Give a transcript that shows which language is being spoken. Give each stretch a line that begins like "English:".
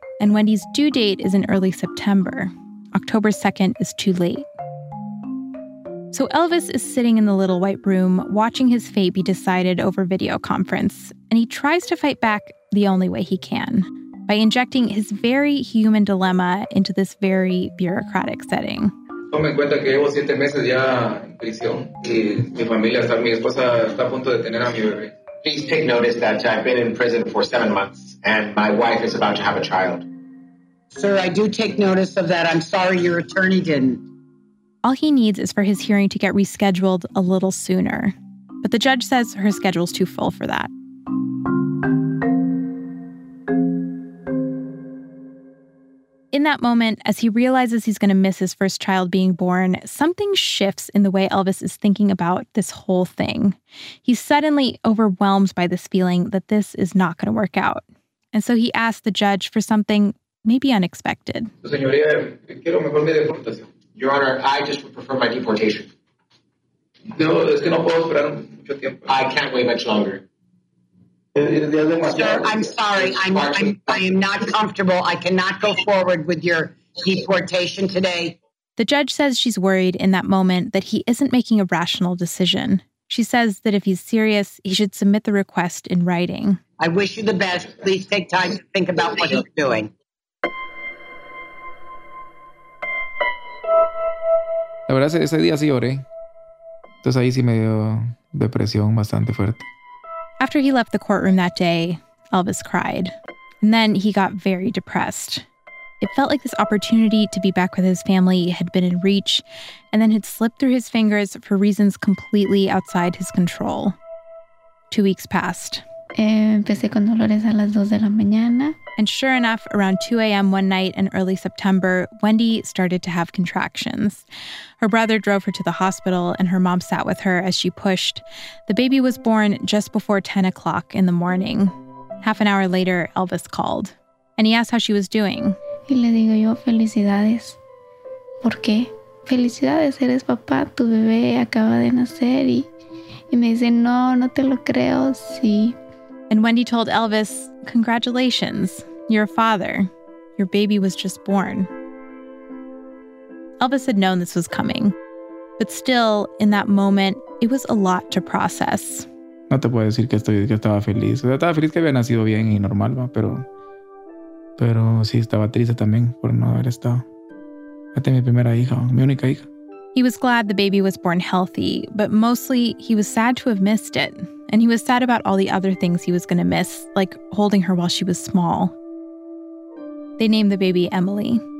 English: And Wendy's due date is in early September. October 2nd is too late. So Elvis is sitting in the little white room watching his fate be decided over video conference, and he tries to fight back the only way he can, by injecting his very human dilemma into this very bureaucratic setting.
Spanish: Tome en cuenta que llevo 7 meses ya en prisión y mi familia está, mi esposa está a punto de tener a mi bebé.
English: Please take notice that I've been in prison for 7 months and my wife is about to have a child. Sir, I do take notice of that. I'm sorry your attorney didn't. All he needs is for his hearing to get rescheduled a little sooner. But the judge says her schedule's too full for that. In that moment, as he realizes he's going to miss his first child being born, something shifts in the way Elvis is thinking about this whole thing. He's suddenly overwhelmed by this feeling that this is not going to work out. And so he asks the judge for something maybe unexpected. Your Honor, I just would prefer my deportation.
Spanish: No, es que no puedo esperar mucho tiempo.
English: I can't wait much longer. Sir, I'm sorry. I am not comfortable. I cannot go forward with your deportation today. The judge says she's worried in that moment that he isn't making a rational decision. She says that if he's serious, he should submit the request in writing. I wish you the best. Please take time to think about what you're doing.
Spanish: La verdad, ese día sí lloré. Entonces ahí sí me dio depresión bastante fuerte.
English: After he left the courtroom that day, Elvis cried. And then he got very depressed. It felt like this opportunity to be back with his family had been in reach and then had slipped through his fingers for reasons completely outside his control. 2 weeks passed.
Spanish: Empecé con dolores a las 2 de la mañana.
English: And sure enough, around 2 a.m. one night in early September, Wendy started to have contractions. Her brother drove her to the hospital and her mom sat with her as she pushed. The baby was born just before 10 o'clock in the morning. Half an hour later, Elvis called and he asked how she was doing.
Spanish: Y le digo yo, felicidades. ¿Por qué? Felicidades, eres papá, tu bebé acaba de nacer. Y me dice, no, no te lo creo, sí.
English: And Wendy told Elvis, congratulations, you're a father. Your baby was just born. Elvis had known this was coming. But still, in that moment, it was a lot to process.
Spanish: No te puedo decir que estaba feliz. O sea, estaba feliz que había nacido bien y normal, ¿no? pero sí estaba triste también por no haber estado. Hasta mi primera hija, mi única hija.
English: He was glad the baby was born healthy, but mostly he was sad to have missed it. And he was sad about all the other things he was going to miss, like holding her while she was small. They named the baby Emily.